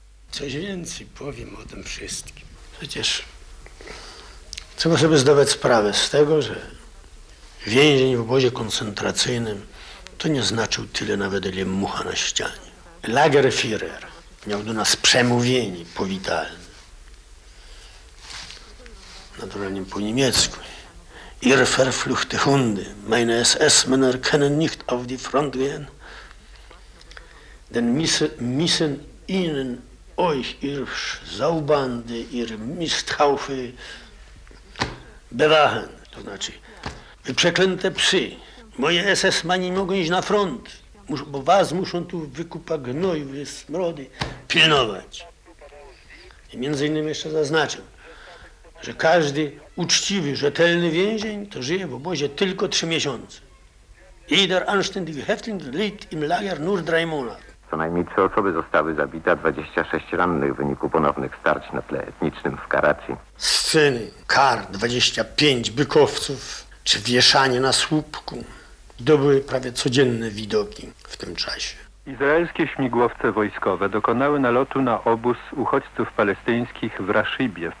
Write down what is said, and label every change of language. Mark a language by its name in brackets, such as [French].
[Polish] Coś więcej powiem o tym wszystkim. Przecież trzeba sobie zdawać sprawę z tego, że więzień w obozie koncentracyjnym to nie znaczył tyle nawet, ile mucha na ścianie. Lagerführer miał do nas przemówienie powitalne. Naturalnie po niemiecku. [German] Ihr verfluchte Hunde, meine SS-Männer können nicht auf die Front gehen, denn müssen ihnen euch, ihr Saubande, ihr Misthaufe bewachen. [Polish] To znaczy, wy przeklęte psy, moje SS-mani mogą iść na front, bo was muszą tu wykupa gnoj, wy smrody, pilnować. I między innymi jeszcze zaznaczył, że każdy uczciwy, rzetelny więzień to żyje w obozie tylko 3 miesiące. [German] Jeder anständige Häftling lebt im Lager nur 3 Monate. [Polish] Co najmniej 3 osoby zostały zabite, a 26 rannych w wyniku ponownych starć na tle etnicznym w Karaczi. Sceny kar, 25 bykowców, czy wieszanie na słupku. To były prawie codzienne widoki w tym czasie. Izraelskie śmigłowce wojskowe dokonały nalotu na obóz uchodźców palestyńskich w Raszybie.